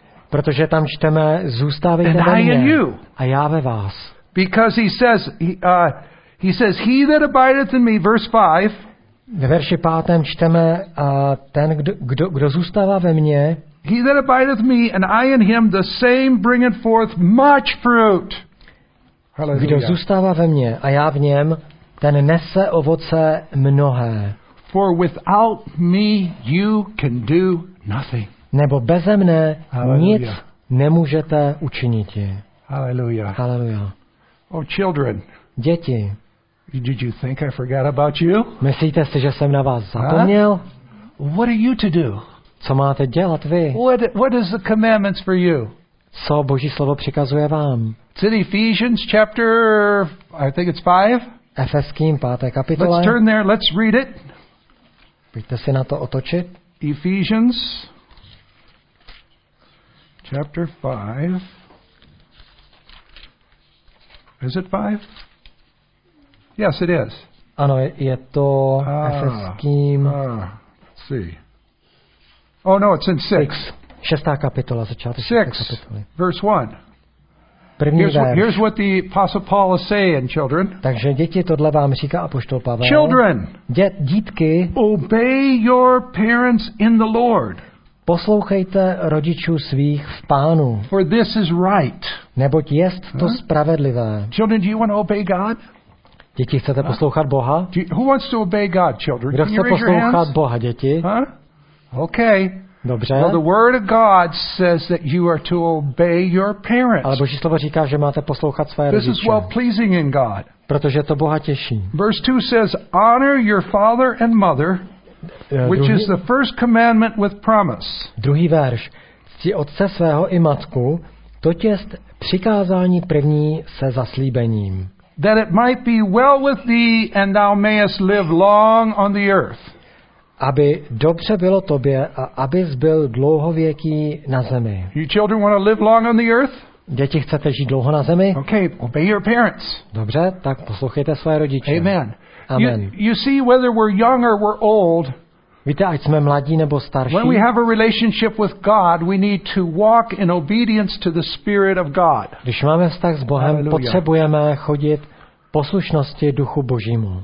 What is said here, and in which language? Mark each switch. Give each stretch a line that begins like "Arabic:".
Czech: Protože tam čteme, zůstávejte ve mně a já ve vás.
English: Because he says, he that abideth in me, verse 5.
Czech: Ve verši 5. čteme, ten, kdo zůstává ve mně,
English: he that abideth me and I in him, the same bringeth forth much fruit. Hallelujah.
Czech: Kdo zůstává ve mně a já v něm, ten nese ovoce mnohé.
English: For without me you can do nothing.
Czech: Nebo beze mne nic nemůžete učinit.
English: Hallelujah. Hallelujah. Oh children.
Czech: Děti.
English: Did you think I forgot about you?
Czech: Myslíte si, že jsem na vás zapomněl?
English: Huh? What are you to do?
Czech: Co máte dělat vy?
English: What is the commandments for you?
Czech: Co Boží slovo přikazuje vám?
English: It's in Ephesians chapter, I think it's 5.
Czech: Efeským, 5. kapitole.
English: Let's turn there, let's read it.
Czech: Pojďte si na to otočit.
English: Ephesians chapter 5. Is it 5? Yes, it is.
Czech: Ano, je to Efeským.
English: Oh, no, it's in 6.
Czech: Šestá kapitola, začátek šesté kapitoly.
English: Verse 1.
Czech: První verš.
English: Here's what the Apostle Paul is saying, children.
Czech: Takže děti, tohle vám říká apoštol Pavel.
English: Children,
Czech: dítky,
English: obey your parents in the Lord.
Czech: Poslouchejte rodičů svých v Pánu.
English: For this is right.
Czech: Neboť jest to spravedlivé.
English: Children, do you want to obey God?
Czech: Děti, chcete poslouchat Boha?
English: Who wants to obey God, children?
Czech: Kdo chce poslouchat Boha, děti?
English: Okay.
Czech: Dobře.
English: Well, the word of God says that you are to obey your parents.
Czech: Ale Boží slovo říká, že máte poslouchat své rodiče.
English: This is well pleasing in God.
Czech: Protože to Boha těší.
English: Verse 2 says, honor your father and mother, which is the first commandment with promise.
Czech: Druhý verš. Cti otce svého i matku, to jest přikázání první se zaslíbením.
English: That it might be well with thee and thou mayest live long on the earth.
Czech: Aby dobře bylo tobě a abys byl dlouhověký na zemi.
English: You children want to live long on the earth?
Czech: Děti, chcete žít dlouho na zemi?
English: Okay, obey your parents.
Czech: Dobře, tak poslouchejte své rodiče.
English: Amen.
Czech: Amen.
English: You see whether we're young or we're old.
Czech: Víte, ať jsme mladí nebo starší.
English: When we have a relationship with God, we need to walk in obedience to the Spirit of God.
Czech: Když máme vztah s Bohem, potřebujeme chodit poslušnosti Duchu Božímu.